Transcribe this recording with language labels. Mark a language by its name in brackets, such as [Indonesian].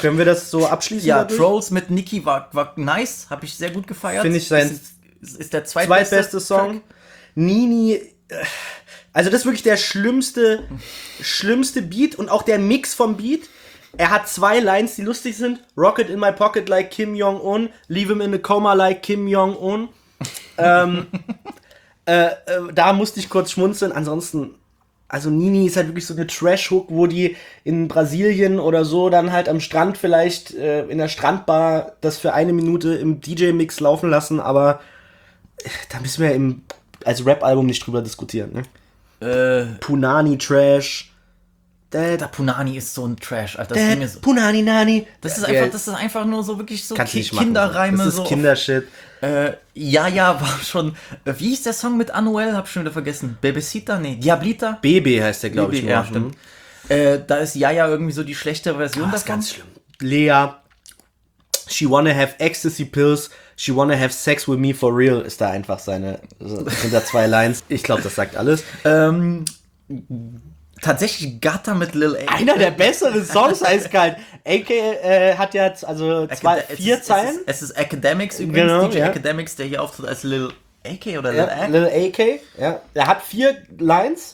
[German] Können wir das so abschließen? Ja, dadurch? Trolls mit Niki war nice, habe ich sehr gut gefeiert. Finde ich sein ist der zweitbeste Song. Track. Nini, also das ist wirklich der schlimmste Beat und auch der Mix vom Beat. Er hat zwei Lines, die lustig sind. [English] Rocket in my pocket like Kim Jong-un. Leave him in a coma like Kim Jong-un. [German] da musste ich kurz schmunzeln. Ansonsten, also Nini ist halt wirklich so eine Trash-Hook, wo die in Brasilien oder so dann halt am Strand vielleicht in der Strandbar das für eine Minute im DJ-Mix laufen lassen. Aber da müssen wir als Rap-Album nicht drüber diskutieren. Ne? Punani-Trash. Der Punani ist so ein Trash, Alter. Das mir so. Punani Nani. Das ist einfach, das ist einfach nur so wirklich so Kinderreime. Das ist so Kindershit. Ja, war schon. Wie hieß der Song mit Anuel? Hab ich schon wieder vergessen. Bebecita? Nee, Diablita? Bebe heißt der, glaube ich. Ja, stimmt. Da ist Yaya irgendwie so die schlechte Version. Das ist ganz schlimm. [English] Lea, she wanna have ecstasy pills. She wanna have sex with me for real. [German] Ist da einfach seine. Sind da zwei Lines. Ich glaube, das sagt alles. Tatsächlich Gutter mit Lil A. Einer der besseren Songs heißt kalt. AK hat ja also zwei, vier Zeilen. Es ist Academics übrigens, genau, DJ Academics, der hier auftritt als Lil AK oder Lil AK. Lil AK, ja. Er hat vier Lines.